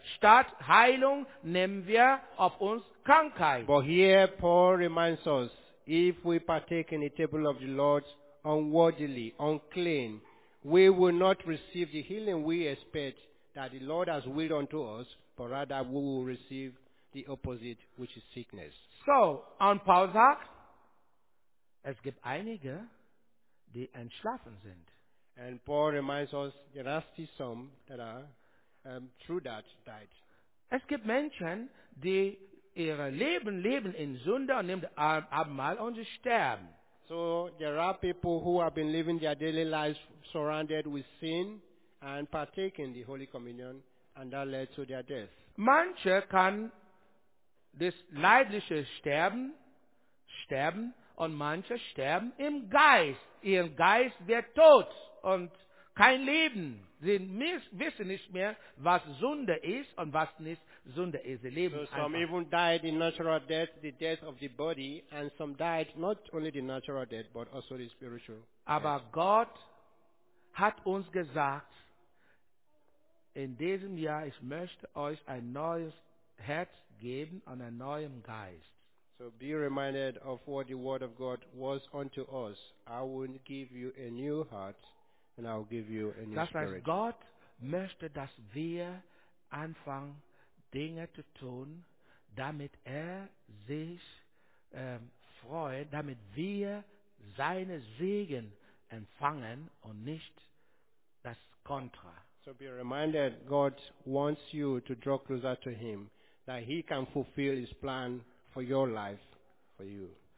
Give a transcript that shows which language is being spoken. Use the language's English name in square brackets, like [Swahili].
[German] Statt Heilung nehmen wir auf uns Krankheit. [English] But here Paul reminds us, if we partake in the table of the Lord unworthily, unclean, we will not receive the healing we expect that the Lord has willed unto us, but rather we will receive the opposite, which is sickness. [German] So, und Paul sagt, es gibt einige, die entschlafen sind. [English] And Paul reminds us, there are still some that are through that died. [German] Es gibt Menschen, die ihre Leben in Sünde und nehmen das Abendmahl und sie sterben. [English] So, there are people who have been living their daily lives surrounded with sin and partaking the Holy Communion, and that led to their death. [German] Manche kann das leibliche Sterben und manche sterben im Geist. Ihr Geist wird tot und kein Leben. Sie wissen nicht mehr, was Sünde ist und was nicht Sünde ist. Sie leben [English] so some [German] einfach. [English] Even died in natural death, the death of the body, and some died not only the natural death, but also the spiritual death. [German] Aber Gott hat uns gesagt, in diesem Jahr, ich möchte euch ein neues Herz geben und einen neuen Geist. [English] So be reminded of what the word of God was unto us. I will give you a new heart and I will give you a new spirit. [German] Das heißt, Gott möchte, dass wir anfangen, Dinge zu tun, damit sich freut, damit wir seine Segen empfangen und nicht das Kontra. [English] So be reminded, God wants you to draw closer to him, that he can fulfill his plan for your life, for you.